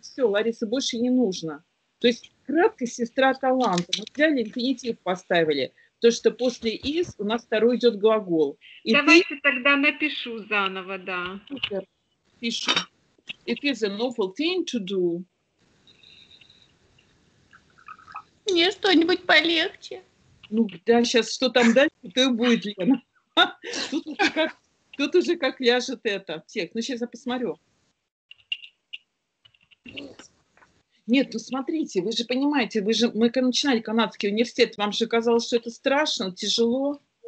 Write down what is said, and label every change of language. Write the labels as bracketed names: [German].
[Russian] Все, Ларисе, больше не нужно. То есть кратко сестра таланта. Мы взяли инфинитив, поставили. То, что после is у нас второй идет глагол. И давайте тогда напишу заново, да. Супер. Пишу. [English] It is an awful thing to do. [Russian] Мне что-нибудь полегче. Ну, да, сейчас что там дальше, то и будет, Лена. Тут уже как... Тут уже как ляжет это текст. Ну, сейчас я посмотрю. Нет, ну смотрите, вы же понимаете, мы когда начинали канадский университет, вам же казалось, что это страшно, тяжело?